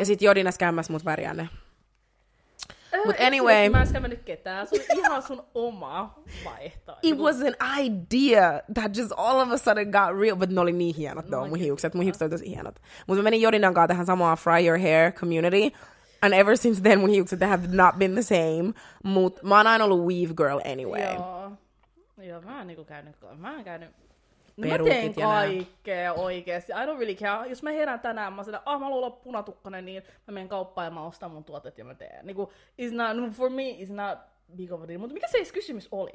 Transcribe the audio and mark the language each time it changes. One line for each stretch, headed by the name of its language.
Finnish: Ja sit Jodina skämmäs mut väriä ne. Mut anyway. Mä en skämmänyt ketään. Se oli ihan sun oma vaihtoehto.
English: It was an idea that just all of a sudden got real.
Finnish: But ne oli niin hienot though, mun hiukset. Mun hiukset oli tosi hienot. Mut mä menin Jodinan kanssa tähän samaan Fry Your Hair community.
English: And ever since then
Finnish: mun hiukset
English: have not been the same.
Finnish: Mut mä oon aina ollut weave girl anyway. Joo, mä oon niinku käynyt. Perukit mä teen kaikkea oikeesti.
English: I don't really care.
Finnish: Jos mä herään tänään, mä sanon, mä haluan olla punatukkainen, niin mä menen kauppaan ja mä ostan mun tuotet ja mä teen. Niinku,
English: it's not, for me, it's not big of a deal.
Finnish: Mutta mikä se edes kysymys oli?